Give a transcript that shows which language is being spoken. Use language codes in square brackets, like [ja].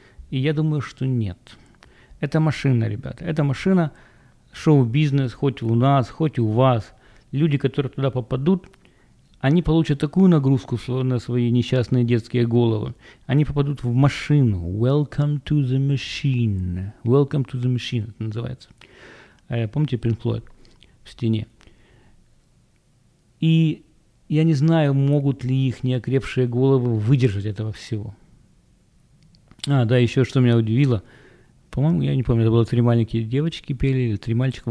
[ru] И я думаю, что нет. Это машина, ребята. Это машина, шоу-бизнес, хоть у нас, хоть у вас. Люди, которые туда попадут, они получат такую нагрузку на свои несчастные детские головы. Они попадут в машину. [en] Welcome to the machine. Welcome to the machine, [ru] это называется. Помните Pink Floyd в стене? И я не знаю, могут ли их неокрепшие головы выдержать этого всего. А, да, еще что меня удивило. По-моему, я не помню, это было три маленькие девочки пели, или три мальчика.